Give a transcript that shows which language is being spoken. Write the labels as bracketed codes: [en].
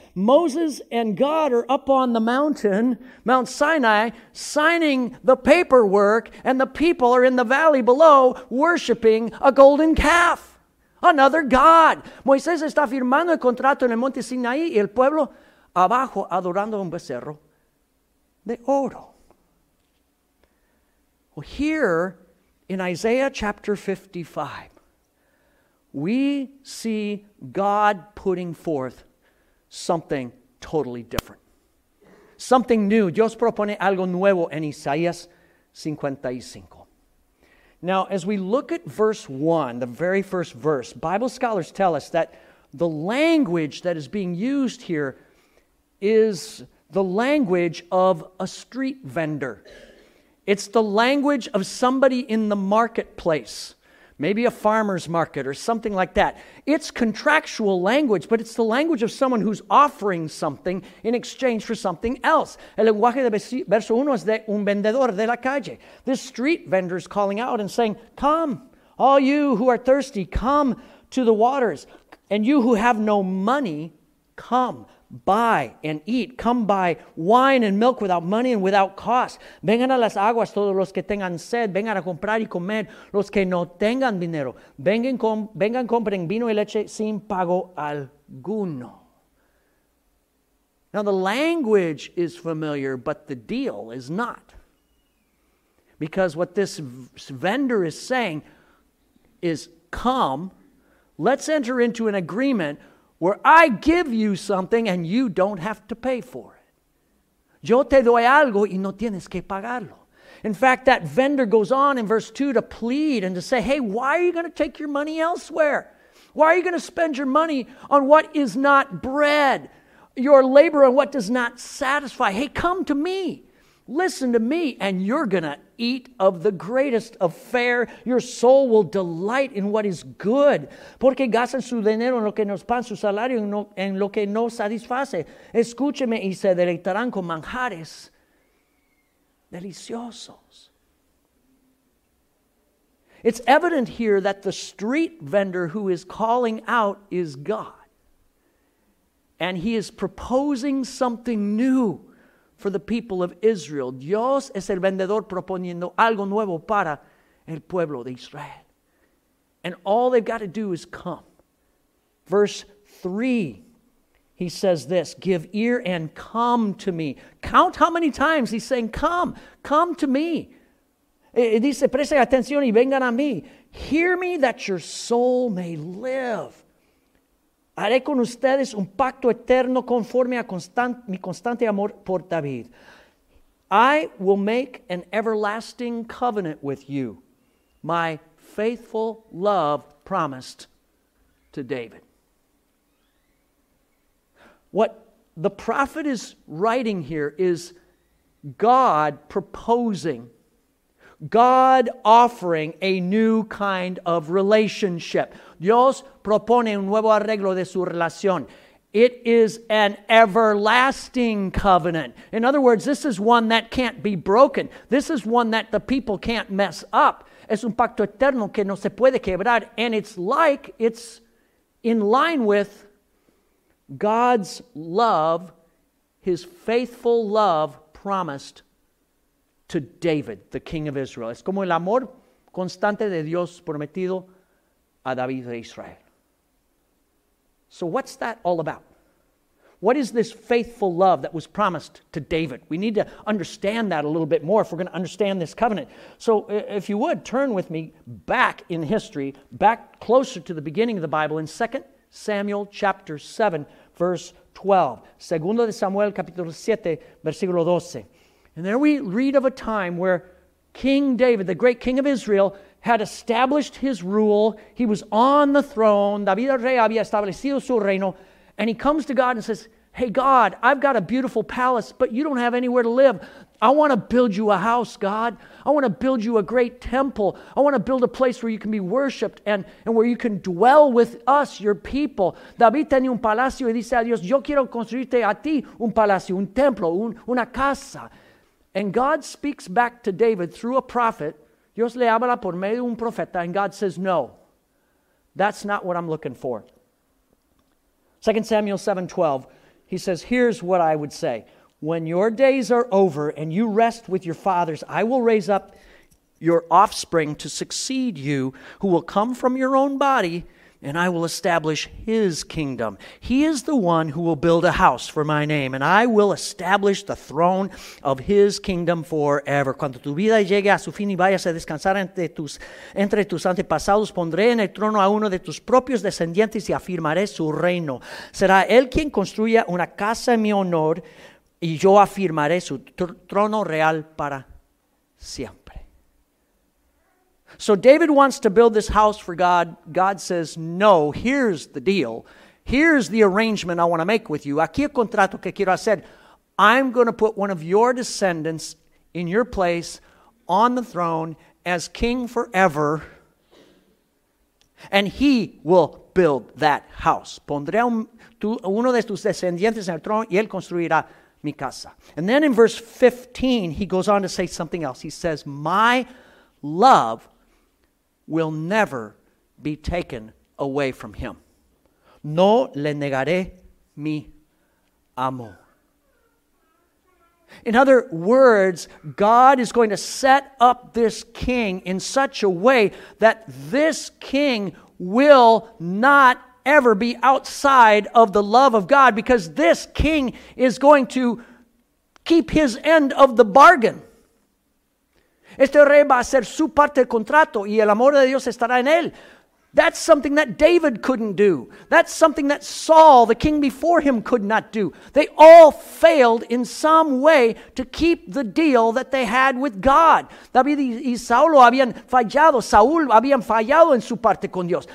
[en] Moses and God are up on the mountain, Mount Sinai, signing the paperwork, and the people are in the valley below worshiping a golden calf, another god. [es] Moisés está firmando el contrato en el Monte Sinaí y el pueblo abajo adorando un becerro de oro. [en] Well, here in Isaiah chapter 55, we see God putting forth something totally different. Something new. [es] Dios propone algo nuevo en Isaías 55. [en] Now, as we look at verse 1, the very first verse, Bible scholars tell us that the language that is being used here is the language of a street vendor. It's the language of somebody in the marketplace. Maybe a farmer's market or something like that. It's contractual language, but it's the language of someone who's offering something in exchange for something else. [es] El lenguaje de verso uno es de un vendedor de la calle. [en] This street vendor is calling out and saying, come, all you who are thirsty, come to the waters. And you who have no money, come, buy and eat. Come buy wine and milk without money and without cost. [es] Vengan a las aguas todos los que tengan sed. Vengan a comprar y comer los que no tengan dinero. Vengan, compren vino y leche sin pago alguno. [en] Now the language is familiar, but the deal is not. Because what this vendor is saying is, come, let's enter into an agreement where I give you something and you don't have to pay for it. [es] Yo te doy algo y no tienes que pagarlo. [en] In fact, that vendor goes on in verse 2 to plead and to say, hey, why are you going to take your money elsewhere? Why are you going to spend your money on what is not bread? Your labor on what does not satisfy? Hey, come to me. Listen to me and you're going to eat of the greatest of fare. Your soul will delight in what is good. [es] Porque gastan su dinero en lo que no es pan, su salario en lo que no satisface. Escúcheme y se deleitarán con manjares deliciosos. [en] It's evident here that the street vendor who is calling out is God. And he is proposing something new for the people of Israel. [es] Dios es el vendedor proponiendo algo nuevo para el pueblo de Israel. [en] And all they've got to do is come. Verse 3, he says this, give ear and come to me. Count how many times he's saying, come, come to me. [es] Dice, preste atención y vengan a mí. [en] Hear me that your soul may live. [es] Haré con ustedes un pacto eterno conforme a mi constante amor por David. [en] I will make an everlasting covenant with you, my faithful love promised to David. What the prophet is writing here is God proposing, God offering a new kind of relationship. [es] Dios propone un nuevo arreglo de su relación. [en] It is an everlasting covenant. In other words, this is one that can't be broken. This is one that the people can't mess up. [es] Es un pacto eterno que no se puede quebrar. [en] And it's in line with God's love, his faithful love promised to David, the king of Israel. [es] Es como el amor constante de Dios prometido a David de Israel. [en] So what's that all about? What is this faithful love that was promised to David? We need to understand that a little bit more if we're going to understand this covenant. So if you would, turn with me back in history, back closer to the beginning of the Bible in 2 Samuel chapter 7, verse 12. [es] Segundo de Samuel, capítulo 7, versículo 12. [en] And there we read of a time where King David, the great king of Israel, had established his rule. He was on the throne. [es] David el rey había establecido su reino. [en] And he comes to God and says, hey, God, I've got a beautiful palace, but you don't have anywhere to live. I want to build you a house, God. I want to build you a great temple. I want to build a place where you can be worshipped and where you can dwell with us, your people. [es] David tenía un palacio y dice a Dios, yo quiero construirte a ti un palacio, un templo, una casa. [en] And God speaks back to David through a prophet. [es] Dios le habla por medio de un profeta, [en] and God says, no, that's not what I'm looking for. 2 Samuel 7:12, he says, here's what I would say. When your days are over and you rest with your fathers, I will raise up your offspring to succeed you, who will come from your own body, and I will establish his kingdom. He is the one who will build a house for my name, and I will establish the throne of his kingdom forever. [es] Cuando tu vida llegue a su fin y vayas a descansar entre tus antepasados, pondré en el trono a uno de tus propios descendientes y afirmaré su reino. Será él quien construya una casa en mi honor, y yo afirmaré su trono real para siempre. [en] So David wants to build this house for God. God says, no, here's the deal. Here's the arrangement I want to make with you. [es] Aquí el contrato que quiero hacer. [en] I'm going to put one of your descendants in your place on the throne as king forever. And he will build that house. [es] Pondré uno de tus descendientes en el trono y él construirá mi casa. [en] And then in verse 15, he goes on to say something else. He says, my love will never be taken away from him. [es] No le negaré mi amor. [en] In other words, God is going to set up this king in such a way that this king will not ever be outside of the love of God, because this king is going to keep his end of the bargain. [es] Este rey va a hacer su parte del contrato y el amor de Dios estará en él. [en] That's something that David couldn't do. That's something that Saul, the king before him, could not do. They all failed in some way to keep the deal that they had with God. [es] David y Saulo habían fallado. Saúl habían fallado en su parte con Dios.